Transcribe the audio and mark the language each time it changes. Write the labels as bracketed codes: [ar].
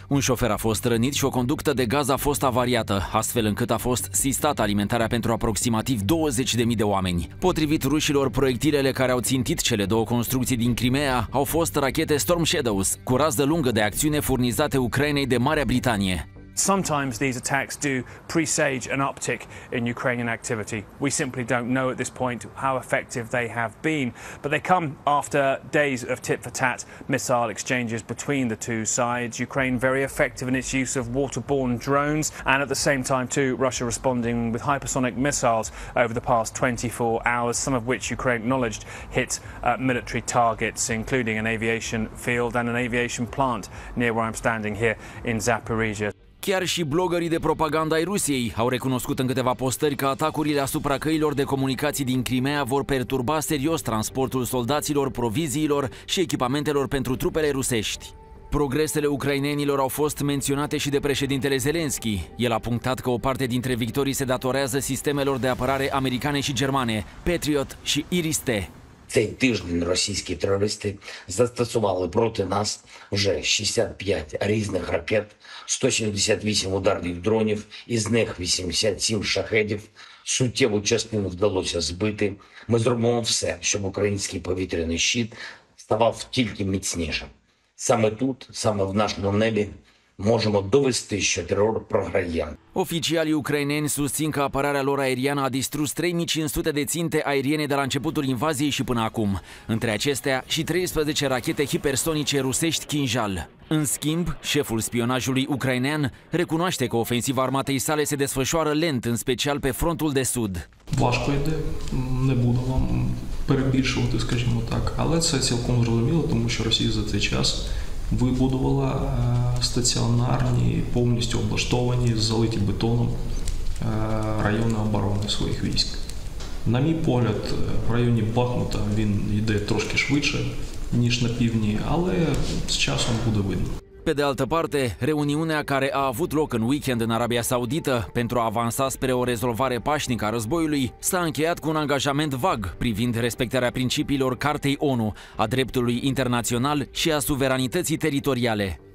[ro] Un șofer a fost rănit și o conductă de gaz a fost avariată, astfel încât a fost sistată alimentarea pentru aproximativ 20.000 de oameni. Potrivit rușilor, proiectilele care au țintit cele două construcții din Crimea au fost rachete Storm Shadows, cu rază lungă de acțiune furnizate Ucrainei de Marea Britanie. [en] Sometimes these attacks do presage an uptick in Ukrainian activity. We simply don't know at this point how effective they have been, but they come after days of tit-for-tat missile exchanges between the two sides. Ukraine very effective in its use of waterborne drones, and at the same time too, Russia responding with hypersonic missiles over the past 24 hours, some of which Ukraine acknowledged hit military targets, including an aviation field and an aviation plant near where I'm standing here in Zaporizhia. [ro] Chiar și blogării de propagandă ai Rusiei au recunoscut în câteva postări că atacurile asupra căilor de comunicații din Crimea vor perturba serios transportul soldaților, proviziilor și echipamentelor pentru trupele rusești. Progresele ucrainenilor au fost menționate și de președintele Zelensky. El a punctat că o parte dintre victorii se datorează sistemelor de apărare americane și germane, Patriot și Iris-T. [uk] Цей тиждень російські терористи застосували проти нас вже 65 різних ракет, 178 ударних дронів, із них 87 шахедів. Суттєву частину вдалося збити. Ми зробимо все, щоб український повітряний щит ставав тільки міцнішим. Саме тут, саме в нашому небі, можемо довести, що терор програє. [ro] Oficialii ucraineni susțin că apărarea lor aeriană a distrus 3500 de ținte aeriene de la începutul invaziei și până acum, între acestea și 13 rachete hipersonice rusești Kinjal. În schimb, șeful spionajului ucrainean recunoaște că ofensiva armatei sale se desfășoară lent, în special pe frontul de sud. [uk] Важко йде, не буду вам перебільшувати, скажімо так, але це цілком зрозуміло, тому що Росія за цей час вибудувала стаціонарні, повністю облаштовані, залиті бетоном райони оборони своїх військ. На мій погляд, в районі Бахмута він йде трошки швидше, ніж на півдні, але з часом буде видно. [ro] Pe de altă parte, reuniunea care a avut loc în weekend în Arabia Saudită pentru a avansa spre o rezolvare pașnică a războiului s-a încheiat cu un angajament vag privind respectarea principiilor Cartei ONU, a dreptului internațional și a suveranității teritoriale.